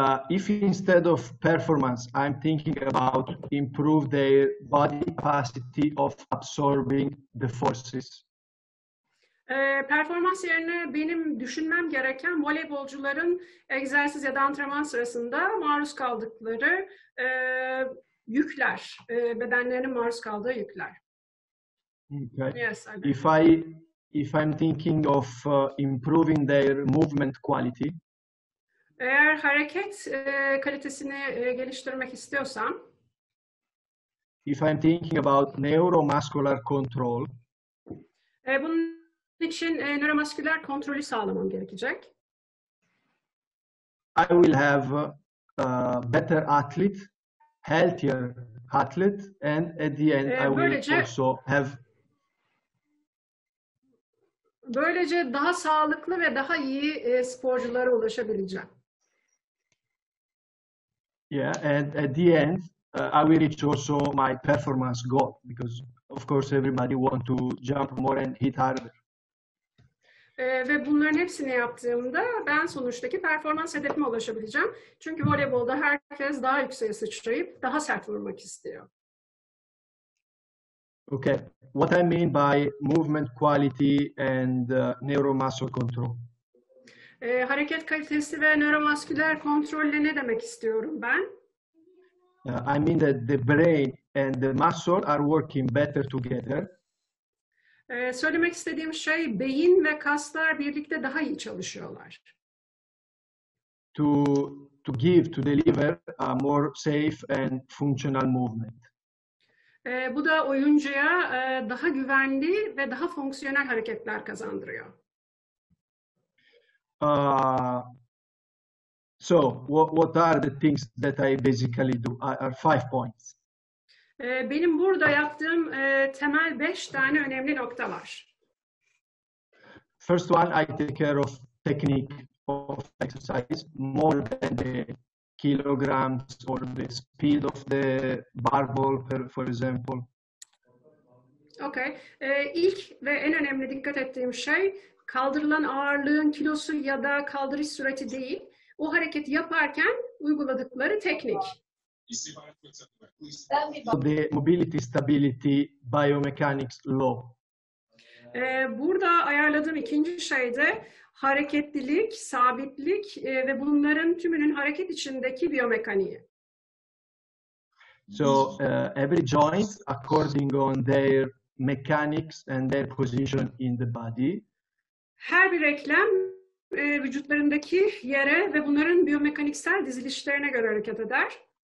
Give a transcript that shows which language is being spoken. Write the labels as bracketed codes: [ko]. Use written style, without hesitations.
[en] If instead of performance, I'm thinking about improve their body capacity of absorbing the forces. [tr] Performans yerine benim düşünmem gereken voleybolcuların egzersiz ya da antrenman sırasında maruz kaldıkları yükler, bedenlerinin maruz kaldığı yükler. [en] Okay. Yes, If I'm thinking of improving their movement quality. [tr] Eğer hareket kalitesini geliştirmek istiyorsam. [en] If I'm thinking about neuromuscular control. [tr] Bunun için neuromasküler kontrolü sağlamam gerekecek. [en] I will have a better athlete, healthier athlete, and at the end I will also have. [tr] Böylece daha sağlıklı ve daha iyi sporculara ulaşabileceğim. [en] Yeah, and at the end, I will reach also my performance goal, because of course everybody wants to jump more and hit harder. [tr] Ve bunların hepsini yaptığımda ben sonuçtaki performans hedefime ulaşabileceğim. Çünkü voleybolda herkes daha yükseğe sıçrayıp daha sert vurmak istiyor. [en] Okay, what I mean by movement quality and neuromuscular control. [tr] Hareket kalitesi ve nöromasküler kontrolle ne demek istiyorum ben? [en] I mean that the brain and the muscle are working better together. [tr] Söylemek istediğim şey, beyin ve kaslar birlikte daha iyi çalışıyorlar. [en] To give, to deliver a more safe and functional movement. [tr] Bu da oyuncuya daha güvenli ve daha fonksiyonel hareketler kazandırıyor. [en] So what are the things that I basically do? Are 5 points. [tr] Benim burada yaptığım temel 5 tane önemli nokta var. [en] First one, I take care of technique of exercise more than the kilograms or the speed of the barbell, for example. Okay. [tr] İlk ve en önemli dikkat ettiğim şey, kaldırılan ağırlığın kilosu ya da kaldırış süreti değil, o hareketi yaparken uyguladıkları teknik. [en] The mobility stability biomechanics law. [tr] Burada ayarladığım ikinci şey de hareketlilik, sabitlik ve bunların tümünün hareket içindeki biyomekaniği. [en] So every joint according on their mechanics and their position in the body. [tr] Her bir eklem vücutlarındaki yere ve bunların biyomekaniksel dizilişlerine göre hareket eder.